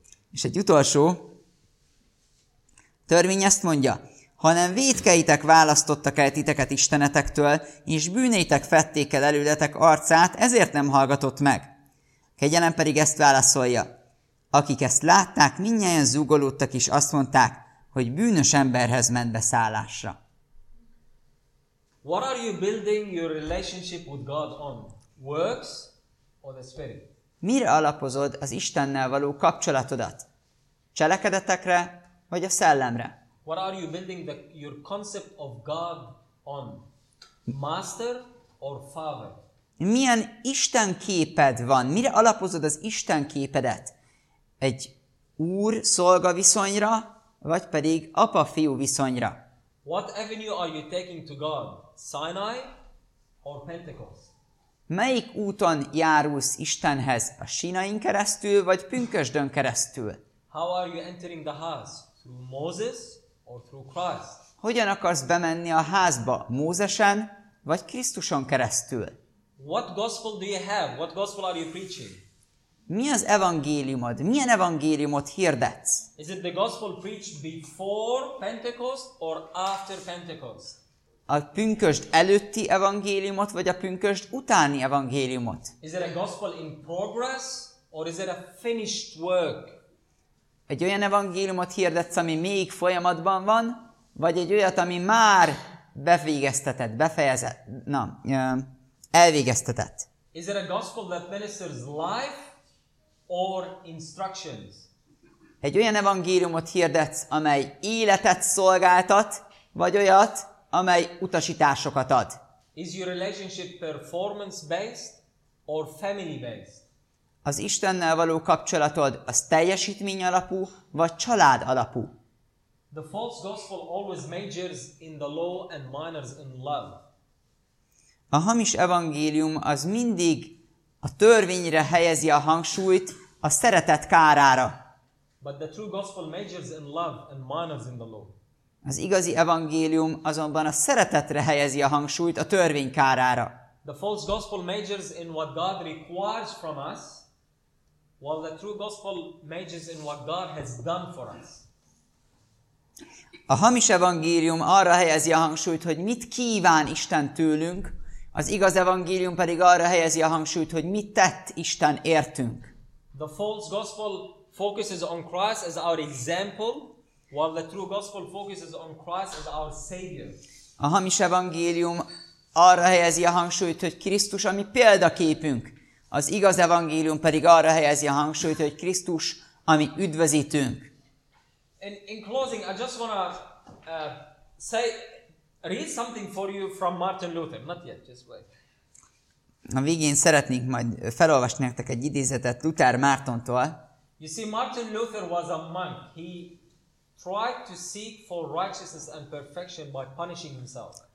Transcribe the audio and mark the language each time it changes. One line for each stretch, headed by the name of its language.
Hungarian: És egy utolsó törvény ezt mondja, hanem vétkeitek választottak el titeket istenetektől, és bűneitek fették el előletek arcát, ezért nem hallgatott meg. Kegyelem pedig ezt válaszolja. Akik ezt látták, mindnyáján zúgolódtak, és azt mondták, hogy bűnös emberhez ment be szállásra.
English: What are you building your relationship with God on? Works or the Spirit?
Hungarian: Mire alapozod az Istennel való kapcsolatodat? Cselekedetekre vagy a szellemre?
English: What are you building your concept of God on? Master or Father?
Hungarian: Milyen Isten képed van? Mire alapozod az Isten képedet? Egy úr-szolga viszonyra, vagy pedig apa-fiú viszonyra?
English: What avenue are you taking to God? Sinai or Pentecost?
Hungarian: Melyik úton járulsz Istenhez? A Sinaiin keresztül, vagy Pünkösdön keresztül?
English: How are you entering the house? Through Moses or through Christ?
Hungarian: Hogyan akarsz bemenni a házba? Mózesen, vagy Krisztuson keresztül?
English: What gospel do you have? What gospel are you preaching?
Hungarian: Mi az evangéliumod? Milyen evangéliumot hirdetsz?
English: Is it the gospel preached before Pentecost or after Pentecost?
Hungarian: A pünkösd előtti evangéliumot, vagy a pünkösd utáni evangéliumot?
English: Is it a gospel in progress or is it a finished work?
Hungarian: Egy olyan evangéliumot hirdetsz, ami még folyamatban van, vagy egy olyat, ami már befégeztetett, befejezett, elvégeztetett?
English: Is it a gospel that ministers life or instructions?
Hungarian: Egy olyan evangéliumot hirdetsz, amely életet szolgáltat, vagy olyat, amely utasításokat ad?
English: Is your relationship performance based or family based?
Hungarian: Az Istennel való kapcsolatod az teljesítmény alapú, vagy család alapú?
English: The false gospel always majors in the law and minors in love.
Hungarian: A hamis evangélium az mindig a törvényre helyezi a hangsúlyt, a szeretet kárára.
English: But the true gospel majors in love and minors in the law.
Hungarian: Az igazi evangélium azonban a szeretetre helyezi a hangsúlyt, a törvény kárára.
English: The false gospel majors in what God requires from us, while the true gospel majors in what God has done for us.
Hungarian: A hamis evangélium arra helyezi a hangsúlyt, hogy mit kíván Isten tőlünk, az igaz evangélium pedig arra helyezi a hangsúlyt, hogy mit tett Isten értünk.
English: The false gospel focuses on Christ as our example, while the true gospel focuses on Christ as our savior.
Hungarian: A hamis evangélium arra helyezi a hangsúlyt, hogy Krisztus a mi példaképünk. Az igaz evangélium pedig arra helyezi a hangsúlyt, hogy Krisztus a mi üdvözítőnk.
English: In closing, I just want to read something for you from Martin Luther. Not yet, just wait.
Hungarian: A végén szeretnék majd felolvasni nektek egy idézetet Luther Mártontól.
English: You see, Martin Luther was a monk. He tried to seek for righteousness and perfection by punishing himself.